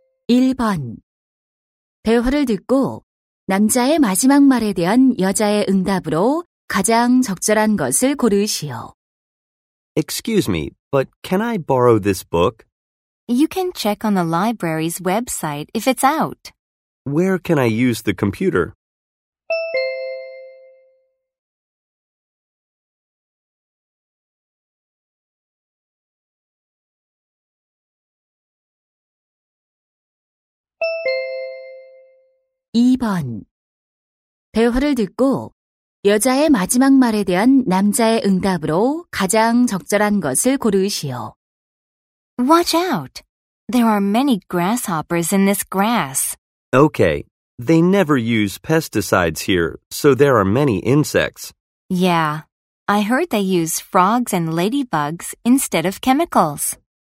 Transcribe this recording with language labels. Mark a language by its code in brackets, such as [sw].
[ko] 1번 대화를 듣고 남자의 마지막 말에 대한 여자의 응답으로 가장 적절한 것을 고르시오. [en] Excuse me, but can I borrow this book? You can check on the library's website if it's out. Where can I use the computer? [ko] 2번 대화를 듣고 여자의 마지막 말에 대한 남자의 응답으로 가장 적절한 것을 고르시오. [en] Watch out! There are many grasshoppers in this grass. Okay, they never use pesticides here, so there are many insects. Yeah, I heard they use frogs and ladybugs instead of chemicals.